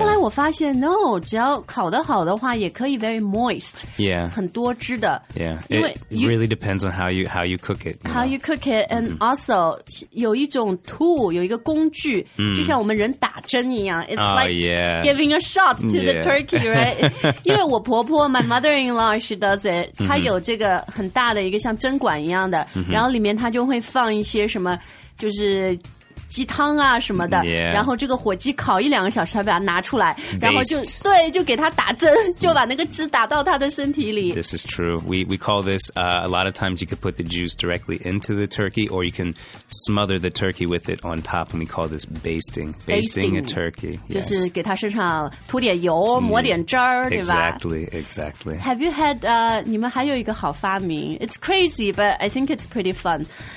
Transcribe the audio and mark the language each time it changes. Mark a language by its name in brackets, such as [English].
[Chinese] 后来我发现 no, 只要烤得好的话也可以 [English] very moist. Yeah. [Chinese] 很多汁的。 [English] Yeah. [Chinese] 因为 [English] it really depends on how you cook it. How you cook it, and also, [Chinese] 有一种 tool, 有一个工具、就像我们人打针一样。 [English] It's like giving a shot to the turkey, right? [Chinese] 因为我婆婆 [English] my mother-in-law, she does it. [Chinese] 她有这个很大的一个像针管一样的、然后里面她就会放一些什么就是鸡汤啊什么的、然后这个火鸡烤一两个小时才把它拿出来、然后就对就给它打针就把那个汁打到它的身体里 [English] This is true We call this、a lot of times you can put the juice directly into the turkey or you can smother the turkey with it on top and we call this basting a turkey、 [Chinese] 就是给它身上涂点油抹点汁儿、对吧 [English] Exactly Have you had [Chinese] 你们还有一个好发明 [English] It's crazy but I think it's pretty fun